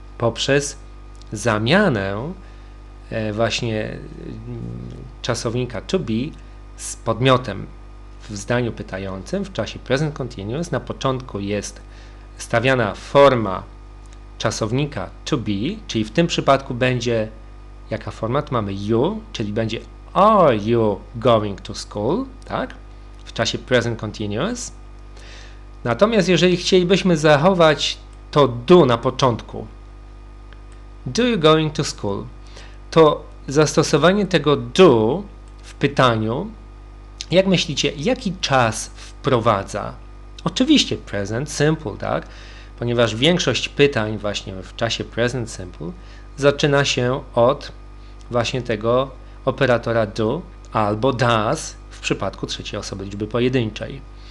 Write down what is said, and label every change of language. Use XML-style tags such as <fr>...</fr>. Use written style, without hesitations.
<pl>Poprzez zamianę właśnie czasownika to be z podmiotem. W zdaniu pytającym w czasie present continuous na początku jest stawiana forma czasownika to be, czyli w tym przypadku będzie, jaka forma? Tu mamy you, czyli będzie</pl> <en>are you going to school,</en> <pl>tak? W czasie present continuous. Natomiast jeżeli chcielibyśmy zachować to do na początku,</pl> <en>do you going to school,</en> <pl>to zastosowanie tego do w pytaniu, jak myślicie, jaki czas wprowadza? Oczywiście present simple, tak? Ponieważ większość pytań właśnie w czasie present simple zaczyna się od właśnie tego operatora do albo does w przypadku trzeciej osoby liczby pojedynczej.</pl>